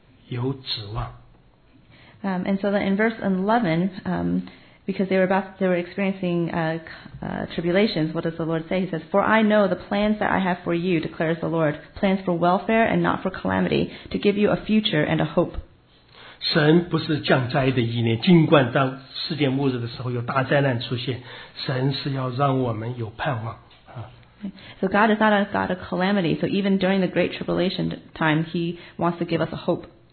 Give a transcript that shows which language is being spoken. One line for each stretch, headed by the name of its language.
Chinese: 我知道我想你们所怀的意念是平安的意念，不是降灾祸的意念，要叫你们末后有指望。
English: And so that in verse 11, because they were experiencing tribulations, what does the Lord say? He says, "For I know the plans that I have for you," declares the Lord, "plans for welfare and not for calamity, to give you a future and a hope."
Chinese: 神不是降灾的意念，尽管当世界末日的时候有大灾难出现，神是要让我们有盼望。
English: So God is not a God of calamity. So even during the great tribulation time, He wants to give us a hope.